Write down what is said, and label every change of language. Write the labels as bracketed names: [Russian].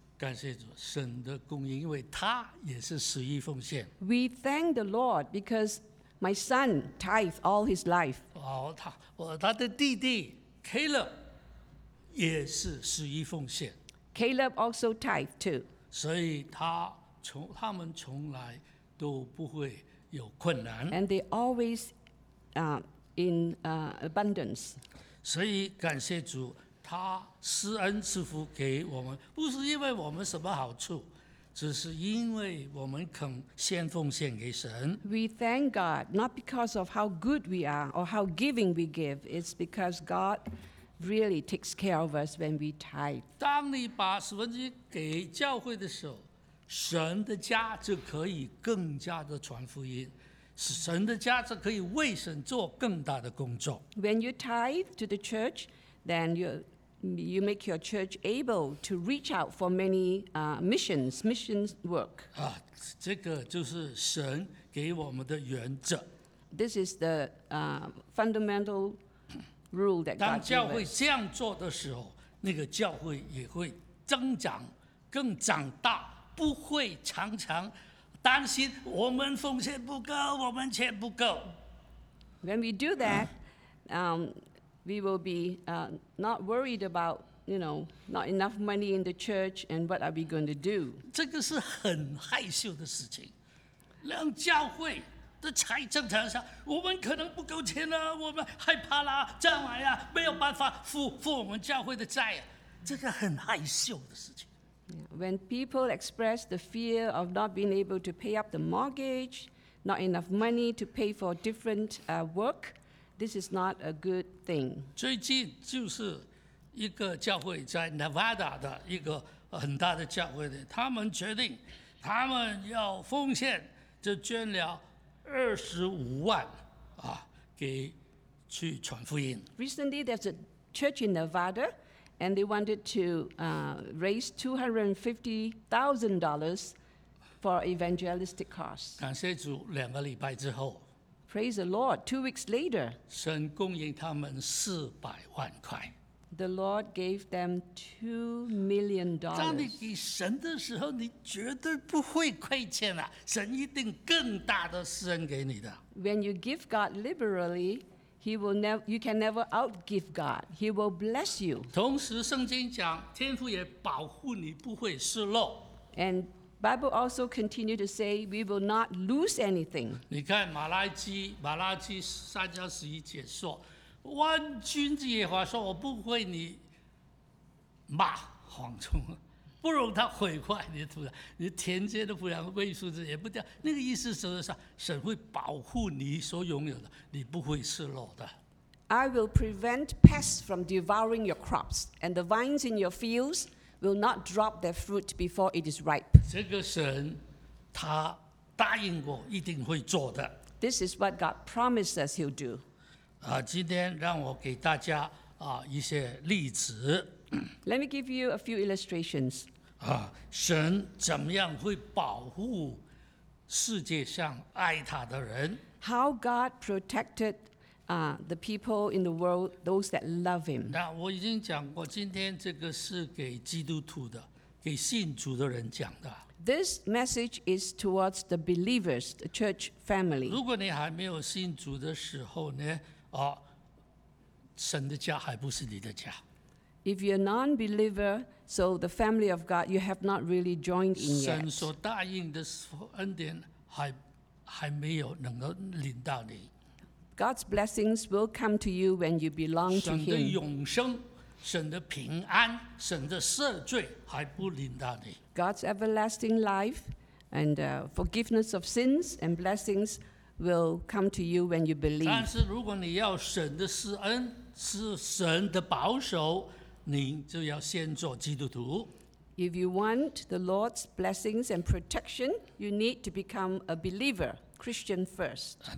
[Chinese] 感谢主，神的供应，因为他也是十一奉献。 [English] We thank the Lord because my son tithe all his life. [Chinese] 他的弟弟 Caleb 也是十一奉献。 [English] Caleb also tithe too. [Chinese] 所以他们从来都不会有困难。 [English] And they always in abundance. [Chinese] 所以感谢主，他施恩赐福给我们，不是因为我们什么好处，只是因为我们肯先奉献给神。 [English] We thank God not because of how good we are or how giving we give, it's because God really takes care of us when we tithe. [Chinese] 当你把十分之一给教会的时候，神的家就可以更加的传福音，神的家就可以为神做更大的工作。 [English] When you tithe to the church, then you make your church able to reach out for many missions work. [Chinese] 啊，这个就是神给我们的原则。 [English] This is the fundamental rule that God gives. [Chinese] 当教会这样做的时候，那个教会也会增长，更长大。不会常常担心我们奉献不够，我们钱不够。 [English] When we do that, we will be not worried about, you know, not enough money in the church and what are we going to do? [Chinese] 这个是很害羞的事情。让教会的财政常常，我们可能不够钱了，我们害怕啦，将来呀没有办法付我们教会的债啊，这个很害羞的事情。 [English] When people express the fear of not being able to pay up the mortgage, not enough money to pay for different work, this is not a good thing. [Chinese] 最近就是一个教会在 Nevada 的一个很大的教会的，他们决定他们要奉献，就捐了25万啊，给去传福音。 [English] Recently, there's a church in Nevada. And they wanted to raise $250,000 for evangelistic costs. [Chinese] 感谢主，两个礼拜之后。 [English] Praise the Lord, 2 weeks later. [Chinese] 神供应他们400万块。 [English] The Lord gave them $2 million. [Chinese] 当你给神的时候，你绝对不会亏欠了，神一定更大的施恩给你的。 [English] When you give God liberally,You can never outgive God. He will bless you. [Chinese] 同时圣经讲天父也保护你不会失落。 [English] And Bible also continue to say we will not lose anything. [Chinese] 你看马拉基三章十一节说，万军之耶和华说我不会你骂蝗虫，不容他毁坏你的土壤，你田间的土壤未熟之也不掉。那个意思就是说，神会保护你所拥有的，你不会失落的。 [English] I will prevent pests from devouring your crops, and the vines in your fields will not drop their fruit before it is ripe. [Chinese] 这个神他答应过，一定会做的。 [English] This is what God promised us He'll do. [Chinese] 今天让我给大家一些例子。 [English] Let me give you a few illustrations. [Chinese] 神怎么样会保护世界上爱他的人？ [English] How God protected the people in the world, those that love Him. [Chinese] 那我已经讲过，今天这个是给基督徒的，给信主的人讲的。 [English] This message is towards the believers, the church family. [Chinese] 如果你还没有信主的时候呢，神的家还不是你的家。 [English] If you're a non-believer, so the family of God, you have not really joined in yet. [Chinese] 神所答应的恩典还没有能够领到你。 [English] God's blessings will come to you when you belong to Him. [Chinese] 神的永生、神的平安、神的赦罪还不领到你。 [English] God's everlasting life and forgiveness of sins and blessings will come to you when you believe. [Chinese] 但是如果你要神的施恩，是神的保守。 [English] If you want the Lord's blessings and protection, you need to become a believer, Christian first.